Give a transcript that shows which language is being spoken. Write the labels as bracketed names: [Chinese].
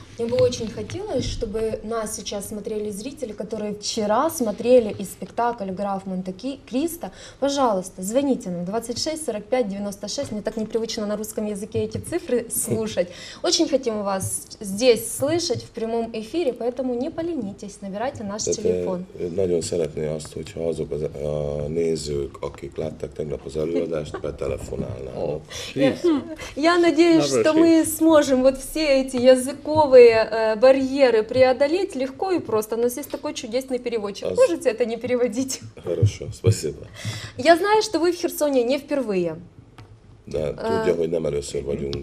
[Russian] Мне бы очень хотелось, чтобы нас сейчас смотрели зрители, которые вчера смотрели и спектакль «Граф Монте-Кристо». Пожалуйста, звоните нам 26-45-96. Мне так непривычно на русском языке эти цифры слушать. Очень хотим вас здесь слышать в прямом эфире, поэтому не поленитесь, набирайте наш телефон. [Hungarian] Nagyon szeretné azt, hogyha azok a nézők, akik láttak tegnap az előadást, betelefonálnának. [Russian] Я надеюсь, что мы сможем вот все эти языковые барьеры преодолеть легко и просто. У нас есть такой чудесный переводчик. Можете это не переводить? Хорошо, спасибо. Я знаю, что вы в Херсоне не впервые. Да, тут я хоть не мерю сегодня.